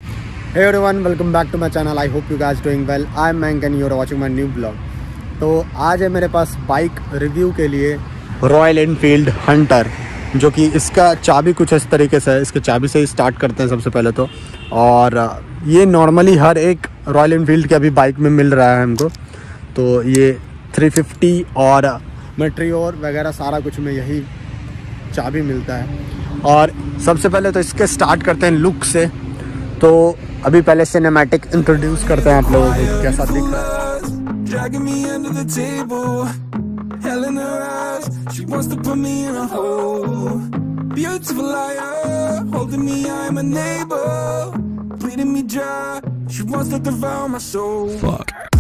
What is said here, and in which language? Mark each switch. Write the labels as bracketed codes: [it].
[en] Hey everyone, welcome back to my channel. I hope you guys doing well. I am Mank and you are watching my new vlog. [hi] तो आज है मेरे पास bike review के लिए royal Enfield Hunter, जो कि इसका चाबी कुछ इस तरीके से है। इसके चाबी से ही स्टार्ट करते हैं सबसे पहले तो। और ये नॉर्मली हर एक रॉयल एनफील्ड के अभी बाइक में मिल रहा है हमको। तो ये 350 और मेट्रियोर वगैरह सारा कुछ में यही चाबी मिलता है। और सबसे पहले तो इसके स्टार्ट करते हैं लुक से। तो अभी पहले सिनेमैटिक इंट्रोड्यूस करते हैं आप लोगों को, कैसा दिख रहा है। [en] Dragging me under the table, hell in her eyes, she wants to put me in a hole. Beautiful liar, holding me, I'm a neighbor, bleeding me dry, she wants to devour my soul. Fuck.